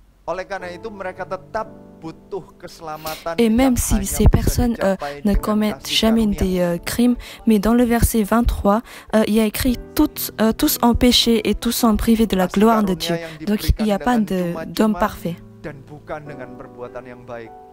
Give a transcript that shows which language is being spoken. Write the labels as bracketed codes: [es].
[id] Oleh karena itu mereka tetap butuh keselamatan. [fr] Et même si ces personnes ne commettent jamais des crimes, mais dans le verset 23, il y a écrit tous ont péché et tous sont privés de la gloire de Dieu. Donc il n'y a pas d'homme parfait. [id] Dan bukan dengan perbuatan yang baik.